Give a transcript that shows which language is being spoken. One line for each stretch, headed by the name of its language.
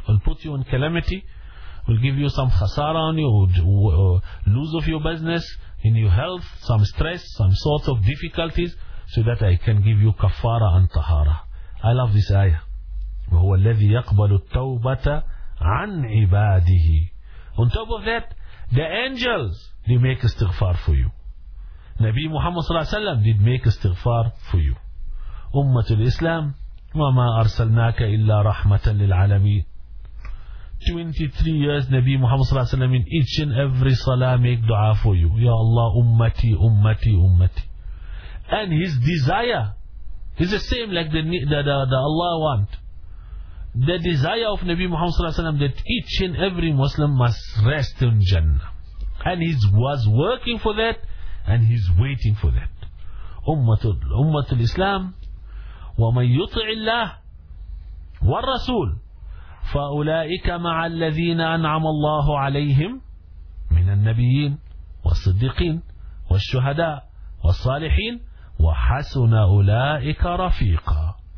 English: I'll put you in calamity, will give you some khasara on you, lose of your business, in your health, some stress, some sort of difficulties, so that I can give you kafara and tahara. I love this ayah.
Arabic: وَهُوَ الَّذِي يَقْبَلُ التَّوْبَةَ عَنْ عِبَادِهِ.
English: On top of that, the angels, they make istighfar for you. Nabi Muhammad sallallahu alayhi wa sallam did make istighfar for you.
Arabic: Ummatul Islam, وَمَا أَرْسَلْنَاكَ إِلَّا رَحْمَةً لِلْعَالَمِينَ.
English: 23 years Nabi Muhammad sallallahu alayhi wa sallam, in each and every salah make dua for you.
Arabic: Ya Allah, ummati, ummati, ummati.
English: And his desire is the same like the Allah want. The desire of Nabi Muhammad sallallahu alayhi wa sallam, that each and every Muslim must rest in Jannah. And he was working for that, and he's waiting for that.
Arabic: Ummatul Islam, وَمَنْ يُطِعِ اللَّهِ وَالرَّسُولِ فَأُولَٰئِكَ مَعَ الَّذِينَ أَنْعَمَ اللَّهُ عَلَيْهِمْ مِنَ النَّبِيِّينَ وَالصِّدِّقِينَ وَالشُّهَدَاءِ وَالصَّالِحِينَ وَحَسُنَ أُولَٰئِكَ رَفِيقًا.